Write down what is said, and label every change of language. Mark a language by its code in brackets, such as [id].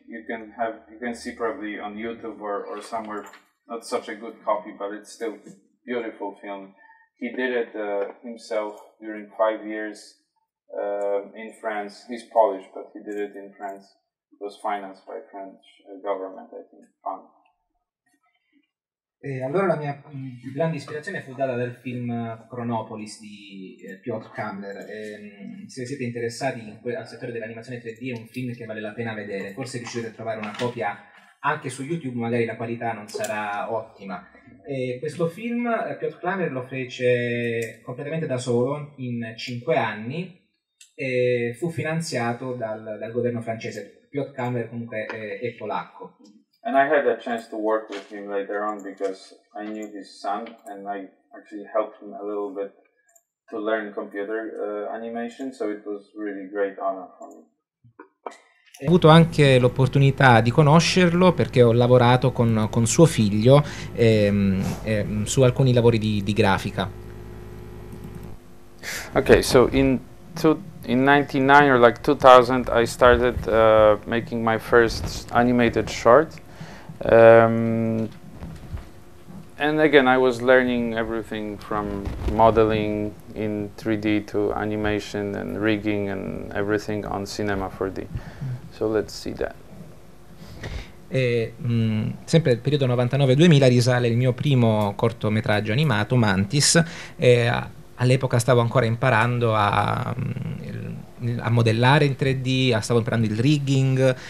[en] You can see probably on YouTube or somewhere, not such a good copy, but it's still a beautiful film. He did it himself during 5 years in France. He's Polish, but he did it in France. It was financed by French government, I think. Fund. [it] E allora la mia più grande ispirazione fu data dal film Chronopolis di Piotr Kramler. Se siete interessati al settore dell'animazione 3D, è un film che vale la pena vedere. Forse riuscirete a trovare una copia anche su YouTube, magari la qualità non sarà ottima. E questo film Piotr Kramler lo fece completamente da solo in 5 anni e fu finanziato dal governo francese. Piotr Kramler comunque è polacco. [en] And I had a chance to work with him later on because I knew his son and I actually helped him a little bit to learn computer animation, so it was really great honor for me. [it] Ho avuto anche l'opportunità di conoscerlo perché ho lavorato con suo figlio su alcuni lavori di grafica. [en] Okay, so in 99 or like 2000 I started making my first animated short. And again, I was learning everything from modeling in 3D to animation and rigging and everything on Cinema 4D. So let's see that. [it] Sempre nel periodo 99-2000 risale il mio primo cortometraggio animato, Mantis. All'epoca stavo ancora imparando a modellare in 3D, stavo imparando il rigging.